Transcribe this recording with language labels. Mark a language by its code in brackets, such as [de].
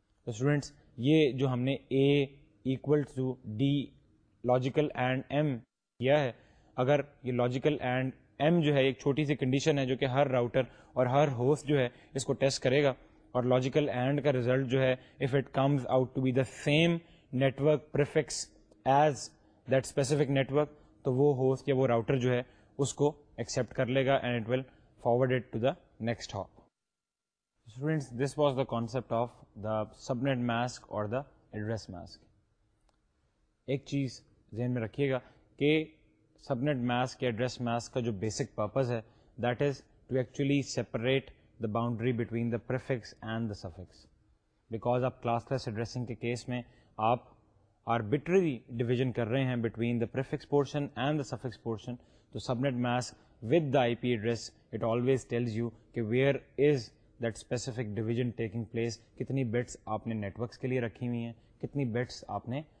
[ur] Students یہ جو ہم نے اے equal to D logical and M کیا ہے اگر یہ logical and M جو ہے ایک چھوٹی سی کنڈیشن ہے جو کہ ہر راؤٹر اور ہر ہوسٹ جو ہے اس کو ٹیسٹ کرے گا اور logical and کا ریزلٹ جو ہے [en] if it comes out to be the same network prefix as that specific network [ur] تو وہ ہوسٹ یا وہ راؤٹر جو ہے اس کو ایکسیپٹ کر لے گا [en] And it will forward it to the next hop. Students this was the concept of the subnet mask اور the address mask. [ur] ایک چیز ذہن میں رکھیے گا کہ سب نیٹ ماسک یا ایڈریس ماسک کا جو بیسک پرپز ہے [en] that is to actually separate the boundary between the prefix and the suffix because [ur] آپ کلاس لیس ایڈریسنگ کے کیس میں آپ آربٹری ڈویژن کر رہے ہیں [en] between the prefix portion and the suffix portion [ur] تو سب net mask [en] with the I P address it always tells you [ur] کہ [en] where is that specific division taking place [ur] کتنی bits آپ نے نیٹورکس کے لیے رکھی ہوئی ہیں کتنی بٹس آپ نے